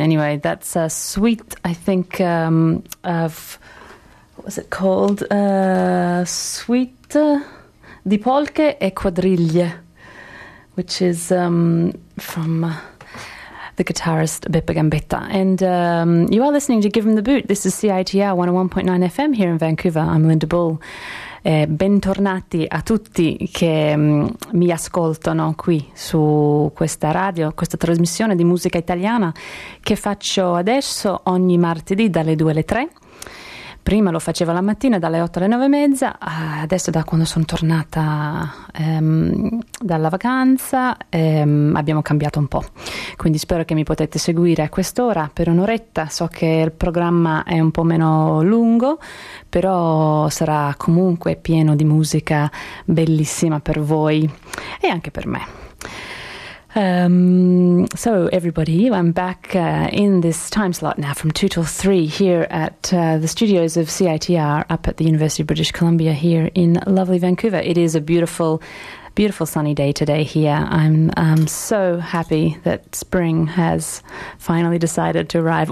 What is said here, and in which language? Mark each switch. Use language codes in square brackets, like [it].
[en] Anyway, that's a Sweet, I think, of... What was it called? Suite di Polche e Quadriglie, which is from... the guitarist Beppe Gambetta. And you are listening to Give Him the Boot. This is CITR 101.9 FM here in Vancouver. I'm Linda Bull. [it] Bentornati a tutti che mi ascoltano qui su questa radio, questa trasmissione di musica italiana che faccio adesso ogni martedì dalle 2 alle 3. Prima lo facevo la mattina dalle 8 alle 9 e mezza, adesso da quando sono tornata dalla vacanza abbiamo cambiato un po', quindi spero che mi potete seguire a quest'ora per un'oretta. So che il programma è un po' meno lungo, però sarà comunque pieno di musica bellissima per voi e anche per me. [en] So everybody, I'm back in this time slot now from 2 till 3 here at the studios of CITR up at the University of British Columbia here in lovely Vancouver. It is a beautiful, beautiful sunny day today here. I'm so happy that spring has finally decided to arrive.